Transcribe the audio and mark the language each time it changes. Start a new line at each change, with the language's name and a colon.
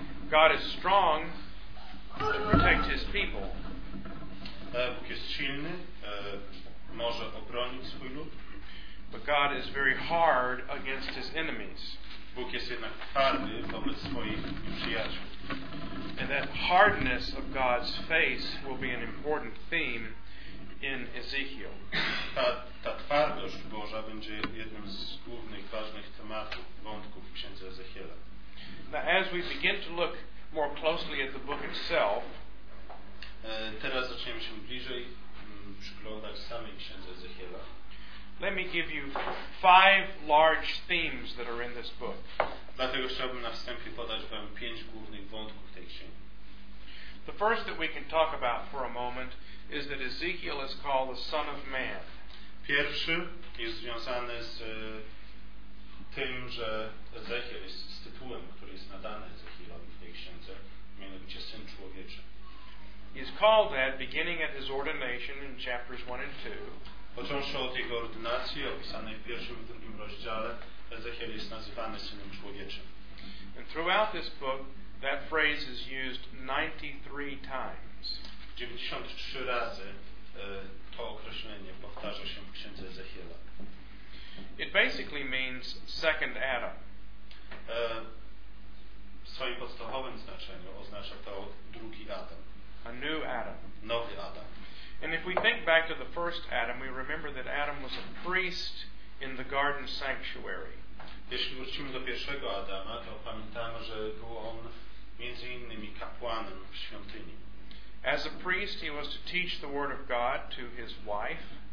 English: God is strong to protect his people.
Polish: Bóg jest silny, może obronić swój lud.
English: But God is very hard against his enemies.
Polish: Bóg jest jednak twardy wobec swoich nieprzyjaciół.
English: And that hardness of God's face will be an important theme in Ezekiel.
Polish: Ta twardość Boża będzie jednym z głównych, ważnych tematów, wątków w księdze Ezechiela.
English: Now as we begin to look more closely at the book itself,
Polish: teraz zaczniemy się bliżej przyglądać samej księdze Ezechiela.
English: Let me give you five large themes that are in this book.
Polish: Dlatego chciałbym na wstępie podać wam pięć głównych wątków tej księgi.
English: The first that we can talk about for a moment is that Ezekiel is called the Son of Man.
Polish: Pierwszy jest związany z tym, że Ezechiel jest z tytułem, który jest nadany Ezechielowi w tej księdze, mianowicie Syn Człowieczy.
English: He's called that beginning at his ordination in chapters 1 and 2.
Polish: Począwszy od jego ordynacji, opisanej w pierwszym i drugim rozdziale, Ezechiel jest nazywany Synem Człowieczym.
English: And throughout this book, that phrase is used 93 times.
Polish: 93 razy to określenie powtarza się w księdze Ezechiela.
English: It basically means second Adam.
Polish: W swoim podstawowym znaczeniu oznacza to drugi Adam.
English: A new Adam.
Polish: Nowy Adam.
English: And if we think back to the first Adam, we remember that Adam was a priest in the garden sanctuary.
Polish: Jeśli wrócimy do pierwszego Adama, to pamiętamy, że był on między innymi kapłanem w świątyni.
English: As a priest, he was to teach the word of God to his wife.